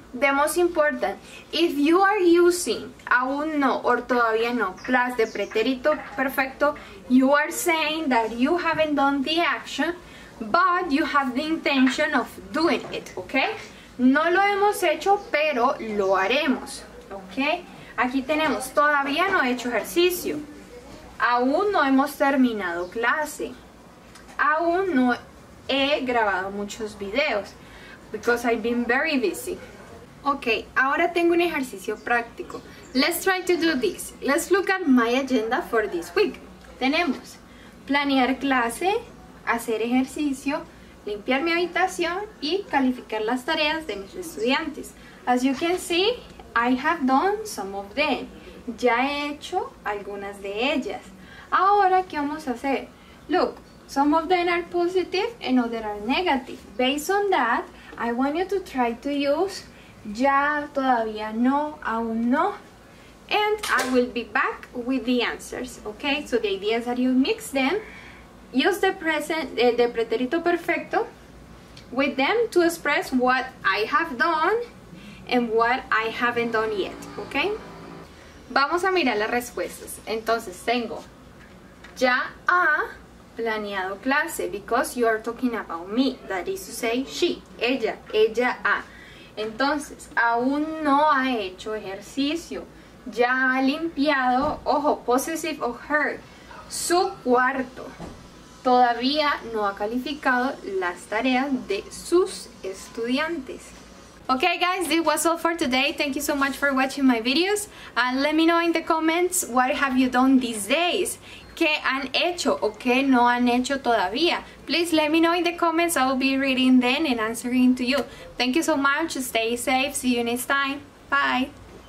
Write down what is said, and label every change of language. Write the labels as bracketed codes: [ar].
[en] The most important, if you are using aún no or todavía no plus the pretérito perfecto, you are saying that you haven't done the action, but you have the intention of doing it, okay? [es] No lo hemos hecho, pero lo haremos, okay? Aquí tenemos, todavía no he hecho ejercicio. Aún no hemos terminado clase. Aún no he grabado muchos videos. [en] Because I've been very busy. Okay, [es] ahora tengo un ejercicio práctico. [en] Let's try to do this. Let's look at my agenda for this week. [es] Tenemos planear clase, hacer ejercicio, limpiar mi habitación y calificar las tareas de mis estudiantes. [en] As you can see, I have done some of them. [es] Ya he hecho algunas de ellas. Ahora, ¿qué vamos a hacer? [en] Look, some of them are positive and others are negative. Based on that, I want you to try to use ya, todavía no, aún no, and I will be back with the answers, okay? So the idea is that you mix them, use the present, the pretérito perfecto with them to express what I have done and what I haven't done yet, okay? [es] Vamos a mirar las respuestas. Entonces tengo, ya ha planeado clase, [en] because you are talking about me, that is to say she, [es] ella, ella ha. Entonces, aún no ha hecho ejercicio, ya ha limpiado, ojo, [en] possessive of her, [es] su cuarto, todavía no ha calificado las tareas de sus estudiantes. [en] Okay guys, this was all for today. Thank you so much for watching my videos. And let me know in the comments, what have you done these days? [es] ¿Qué han hecho o qué no han hecho todavía? [en] Please let me know in the comments. I will be reading them and answering to you. Thank you so much. Stay safe. See you next time. Bye.